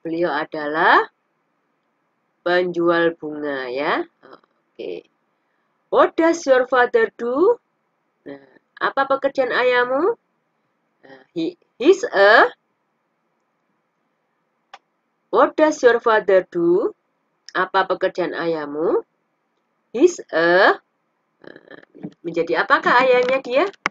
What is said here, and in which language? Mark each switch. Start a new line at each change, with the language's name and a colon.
Indonesian: Beliau adalah penjual bunga. Ya. Oke.
English: What does your father do?
Indonesian: Nah, apa pekerjaan ayahmu?
English: He's a. What does your father do?
Indonesian: Apa pekerjaan ayahmu?
English: He's a.
Indonesian: Menjadi apakah ayahnya dia?